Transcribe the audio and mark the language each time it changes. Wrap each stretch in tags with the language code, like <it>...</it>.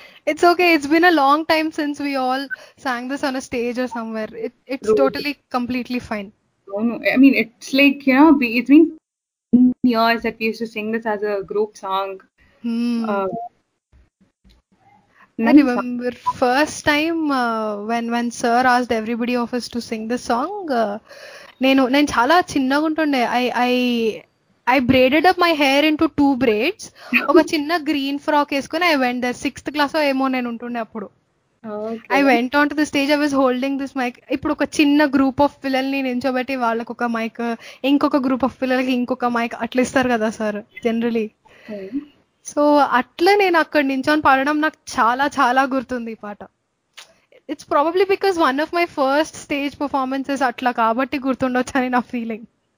<en>It's okay, it's been a long time since we all sang this on a stage or somewhere. It's totally completely fine. I mean it's like you know it's been years that we used to sing this as a group song. I remember first time when sir asked everybody of us to sing this song.</en> <te>Nenu chala chinna untunde.</te> <en>I braided up my hair into two braids. Oka chinna green frock eskoni I went there.</en> <te>Sixth class lo emo nenu untunde appudu. I</te> <en>Okay. went on to the stage. I was holding this mic.</en> <te>ఇప్పుడు ఒక చిన్న group of పిల్లల్ని నించోబెట్టి వాళ్ళకి ఒక mic, ఇంకొక group of పిల్లలకి ఇంకొక mic అట్లా ఇస్తారు కదా సార్ జనరలీ. సో అట్లా నేను అక్కడ నించొని పాడడం నాకు చాలా చాలా గుర్తుంది ఈ పాట.</te> <en>it's probably because one of my first stage performances</en> <te>అట్లా కాబట్టి గుర్తుండొచ్చు అని నా ఫీలింగ్.</te>